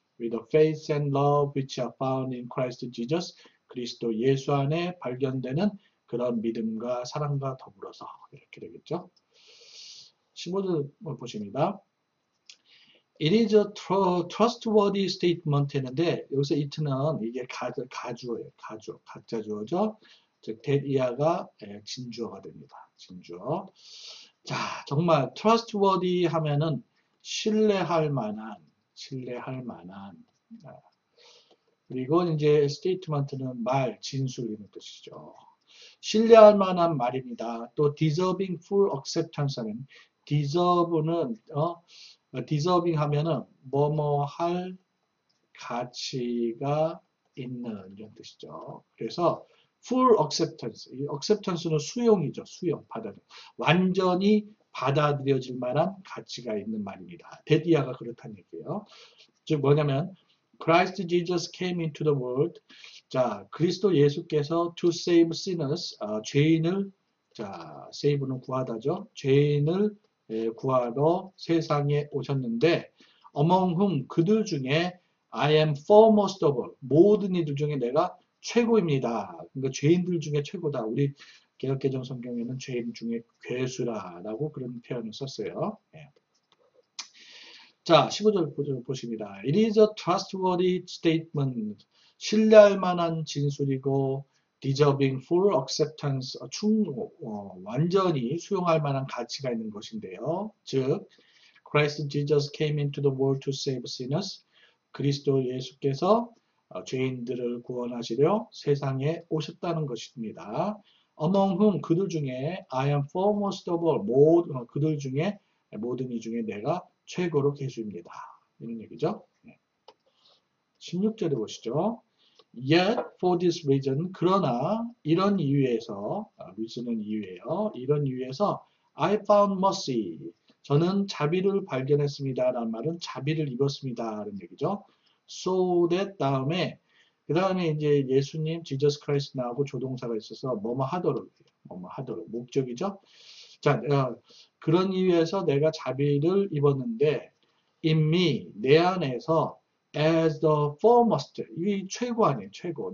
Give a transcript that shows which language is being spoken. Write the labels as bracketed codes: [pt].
[en] With the faith and love which are found in Christ Jesus, [ko] 그리스도 예수 안에 발견되는 그런 믿음과 사랑과 더불어서 이렇게 되겠죠. 15절 보십니다. [en] It is a trustworthy statement [ko] 했는데 여기서 it는 이게 가주어예요. 가주어, 가짜 주어죠. 즉, 대이하가 진주어가 됩니다. 진주어. 자, 정말 trustworthy 하면은 신뢰할 만한, 신뢰할 만한. 그리고 이제 statement는 말, 진술이라는 뜻이죠. 신뢰할 만한 말입니다. 또 deserving full acceptance 하면 deserve는 deserving 하면은 뭐뭐 할 가치가 있는 이런 뜻이죠. 그래서 full acceptance. 이 acceptance는 수용이죠. 수용, 받아들. 완전히 받아들여질 만한 가치가 있는 말입니다. 데디아가 그렇다는 얘기예요. 즉 뭐냐면 [en] Christ Jesus came into the world. [ko] 자, 그리스도 예수께서 [en] to save sinners, [ko] 죄인을, 자, save는 구하다죠. 죄인을 구하러 세상에 오셨는데, [en] among whom, [ko] 그들 중에 [en] I am foremost of all, [ko] 모든 이들 중에 내가 최고입니다. 그러니까 죄인들 중에 최고다. 우리 개역개정 성경에는 죄인 중에 괴수라라고 그런 표현을 썼어요. 자, 15절 보십니다. [en] It is a trustworthy statement. [ko] 신뢰할 만한 진술이고, [en] deserving full acceptance, [ko] 완전히 수용할 만한 가치가 있는 것인데요. [en] 즉, Christ Jesus came into the world to save sinners. [ko] 그리스도 예수께서 죄인들을 구원하시려 세상에 오셨다는 것입니다. [en] Among whom, [ko] 그들 중에, [en] I am foremost of all, [ko] 그들 중에, 모든 이 중에 내가 최고로 계십니다. 이런 얘기죠. 16절에 보시죠. [en] Yet for this reason, [ko] 그러나 이런 이유에서, reason은 이유예요. 이런 이유에서 [en] I found mercy. [ko] 저는 자비를 발견했습니다라는 말은 자비를 입었습니다라는 얘기죠. [en] So that [ko] 다음에 그다음에 이제 예수님, Jesus Christ 나오고 조동사가 있어서 뭐뭐 하도록, 뭐뭐 하도록 목적이죠. 자, 그런 이유에서 내가 자비를 입었는데, [en] in me, [ko] 내 안에서, [en] as the foremost, [ko] 이게 최고 아니에요, 최고.